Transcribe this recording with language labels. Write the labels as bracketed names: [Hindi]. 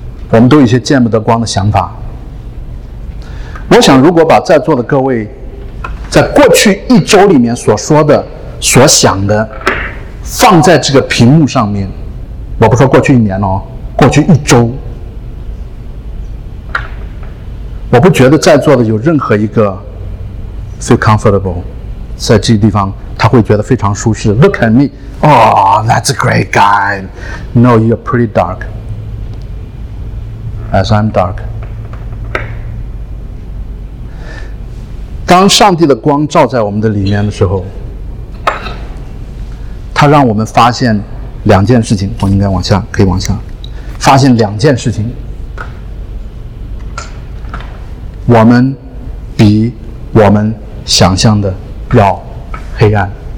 [Chinese] 我们都有一些见不得光的想法。我想如果把在座的各位在过去一周里面所说的所想的放在这个屏幕上面，我不说过去一年哦，过去一周，我不觉得在座的有任何一个 [English] feel comfortable [Chinese] 在这个地方他会觉得非常舒适。 [English] Look at me, oh that's a great guy, no you're pretty dark as I'm dark。 [Chinese] 当上帝的光照在我们的里面的时候，他让我们发现两件事情。我应该往下，可以往下发现两件事情。我们比我们想象的要黑暗。